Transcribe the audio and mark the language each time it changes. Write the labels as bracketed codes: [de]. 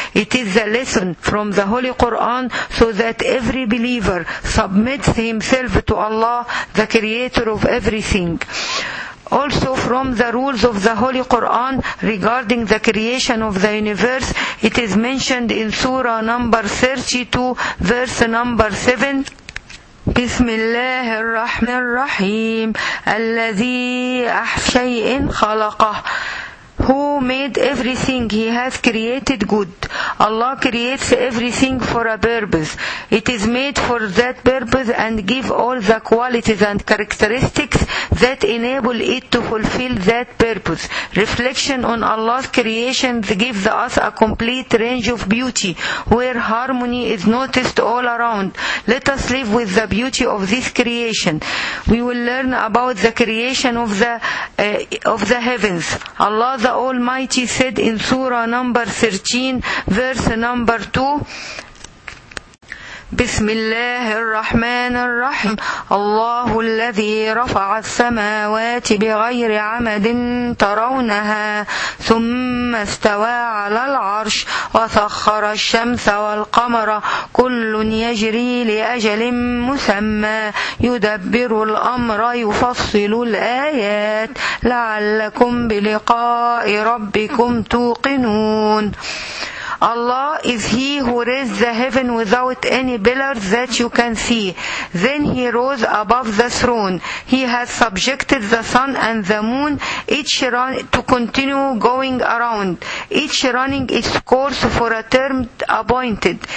[en] It is the lesson from the Holy Quran, so that every believer submits himself to Allah, the creator of everything. Also, from the rules of the Holy Quran regarding the creation of the universe, it is mentioned in Surah number 32, verse number 7. [ar] بسم الله الرحمن الرحيم الذي أحسن شيء خلقه. [en] Who made everything? He has created good. Allah creates everything for a purpose. It is made for that purpose and give all the qualities and characteristics that enable it to fulfill that purpose. Reflection on Allah's creations gives us a complete range of beauty where harmony is noticed all around. Let us live with the beauty of this creation. We will learn about the creation of the heavens. Allah the Almighty said in Surah number 13, verse number 2, [ar] بسم الله الرحمن الرحيم الله الذي رفع السماوات بغير عمد ترونها ثم استوى على العرش وسخر الشمس والقمر كل يجري لأجل مسمى يدبر الأمر يفصل الآيات لعلكم بلقاء ربكم توقنون. [en] Allah is He who raised the heaven without any pillars that you can see. Then He rose above the throne. He has subjected the sun and the moon each run to continue going around, each running its course for a term appointed.